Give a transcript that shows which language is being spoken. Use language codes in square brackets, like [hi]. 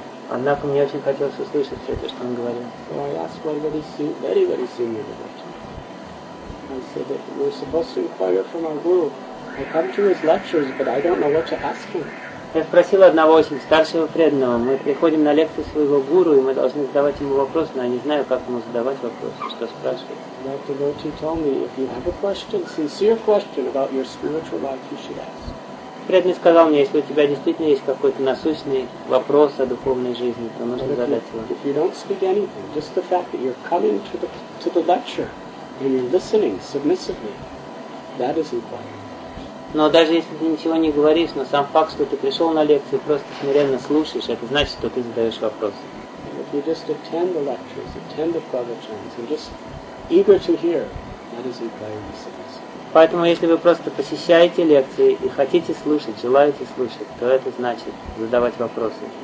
[ru] Однако мне очень хотелось услышать все это, что он говорил. [en] So I asked one very, very, very senior devotee. I said, we're supposed to inquire from our guru. I come to his lectures, but I don't know what to ask him. [ru] Я спросил одного очень старшего преданного. Мы приходим на лекции своего гуру, и мы должны задавать ему вопросы, но я не знаю, как ему задавать вопросы, что спрашивать. [en] That devotee told me, if you have a question, sincere question about your spiritual life, you should ask. [ru] Преданный сказал мне, если у тебя действительно есть какой-то насущный вопрос о духовной жизни, то нужно задать его. [en] If you don't speak anything, just the fact that you're coming to the lecture and you're listening submissively, that is important. [ru] Но даже если ты ничего не говоришь, но сам факт, что ты пришел на лекцию и просто смиренно слушаешь, это значит, что ты задаешь вопросы. [en] If you just attend the lectures, attend the pravachans, and just eager to hear, that is important. [ru] Поэтому, если вы просто посещаете лекции и хотите слушать, желаете слушать, то это значит задавать вопросы.